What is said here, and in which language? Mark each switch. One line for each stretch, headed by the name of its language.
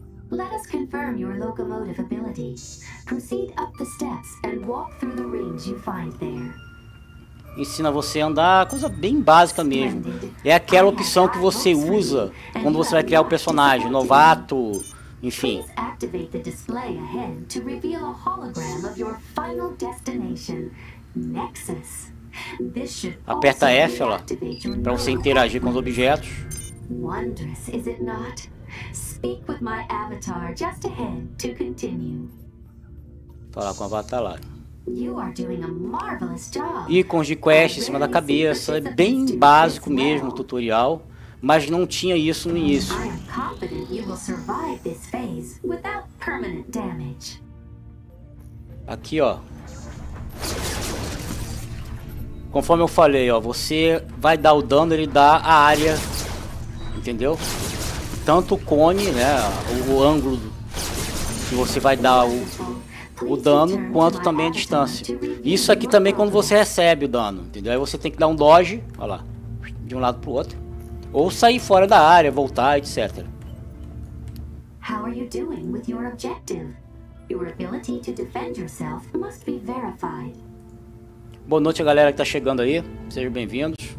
English: Let us confirm your locomotive ability. Proceed up the steps and walk through the rings you find there.
Portuguese: Ensina você a andar, coisa bem básica mesmo. É aquela opção que você usa quando você vai criar o personagem, novato, enfim.
English: Please activate the display ahead to reveal a hologram of your final destination, Nexus. This should also
Portuguese: aperta F, olha, para você interagir com os objetos.
English: Wondrous, is it not? Speak with my avatar just ahead to continue.
Portuguese: Falar com o avatar lá.
English: You are doing a marvelous job.
Portuguese: Ícones de quest em cima da cabeça, é bem básico mesmo o tutorial, mas não tinha isso no início.
English: I am confident you will survive this phase without permanent damage.
Portuguese: Aqui, ó. Conforme eu falei, ó, você vai dar o dano, ele dá a área, entendeu? Tanto o cone, né, o ângulo que você vai dar o dano, quanto também a distância. Isso aqui também quando você recebe o dano, entendeu? Aí você tem que dar um dodge, olha lá, de um lado pro outro. Ou sair fora da área, voltar, etc.
English: How are you doing with your objective? Your ability to defend yourself must be verified.
Portuguese: Boa noite a galera que tá chegando aí, sejam bem-vildos.